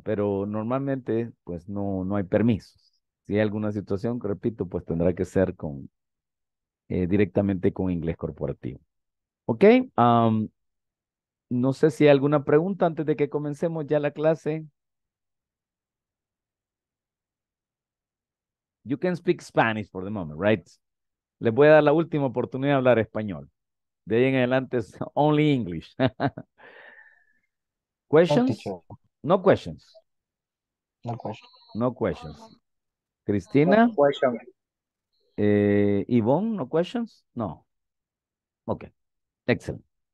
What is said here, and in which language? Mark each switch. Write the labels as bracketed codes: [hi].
[es] Pero normalmente, pues, no hay permisos. Si hay alguna situación, repito, pues tendrá que ser con... directamente con inglés corporativo. Ok, no sé si hay alguna pregunta antes de que comencemos ya la clase. [en] You can speak Spanish for the moment, right? [es] Les voy a dar la última oportunidad de hablar español. De ahí en adelante es [en] only English. Questions? No questions. No questions. No questions. Cristina? No questions. Yvonne, no questions? No. Okay. Excellent.